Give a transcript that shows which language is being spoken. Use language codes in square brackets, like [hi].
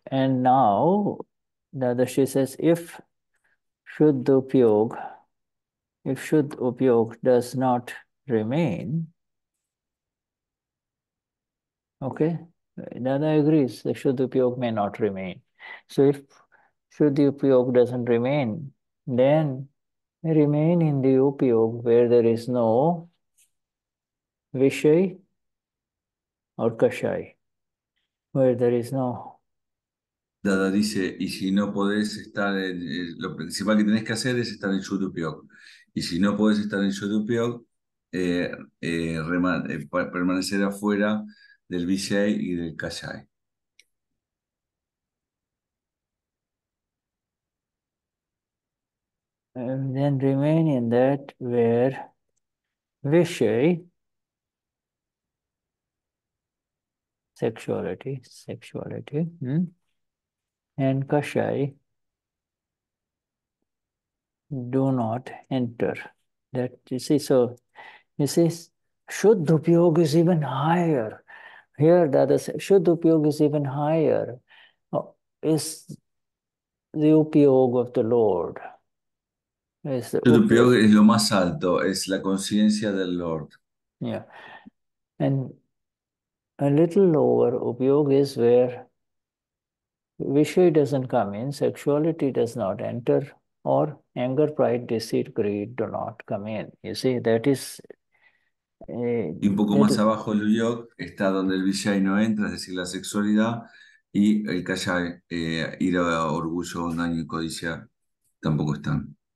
[en] And now the other Shri says, if Shuddha Upayog does not remain, okay, Dada agrees the Shuddha Upayog may not remain. So if Shuddha Upayog doesn't remain, then remain in the Upayog where there is no Vishay or Kashay, where there is no. [es] Dada dice, y si no podés estar en, lo principal que tenés que hacer es estar en Shuddha Upayog. Y si no podés estar en Shuddha Upayog, permanecer afuera del Vishay y del Kashay. [en] Then remain in that where Vishay, sexuality, and Kashay do not enter. That you see, so you see, Shuddha Upayog is even higher. Here, Dada says, Shuddha Upayog is even higher. Oh, is the Upayog of the Lord. [es] Es Upayog Upayog. es lo más alto, es la conciencia del Lord. [en] And a little lower, Upayog is where Vishuddhi doesn't come in, sexuality does not enter, or anger, pride, deceit, greed do not come in. You see, that is [es] Y un poco más [en] that. [es] abajo el Upayog está donde el Vishay no entra, es decir, la sexualidad, y el Kaya, ira, orgullo, engaño y codicia tampoco están.